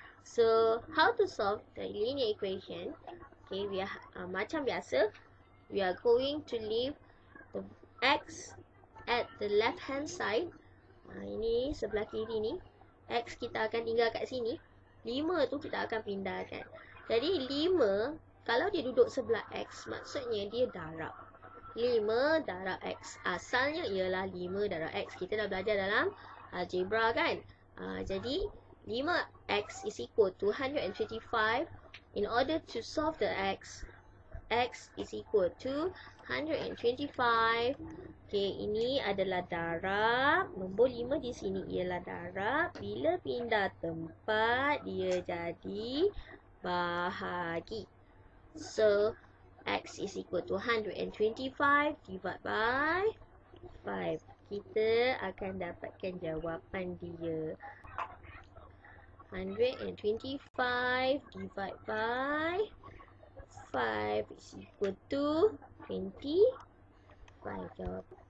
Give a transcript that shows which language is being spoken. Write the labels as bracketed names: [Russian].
[English] So, how to solve the linear equation? Okay, we are, [Malay] macam biasa, [English] we are going to leave the x at the left hand side. [Malay] Ini sebelah kiri ni. X kita akan tinggal kat sini. 5 tu kita akan pindahkan. Jadi 5, kalau dia duduk sebelah x, maksudnya dia darab. 5 darab x. Asalnya ialah 5 darab x. Kita dah belajar dalam algebra kan. Jadi [English] 5x is equal to 125. In order to solve the x, x is equal to 125. [Malay] Okay, ini adalah darab. Nombor 5 di sini ialah darab. Bila pindah tempat, dia jadi bahagi. [English] So, x is equal to 125 divided by 5. [Malay] Kita akan dapatkan jawapan dia. [English] 125 divided by 5 is equal to 25 [Malay] jawab.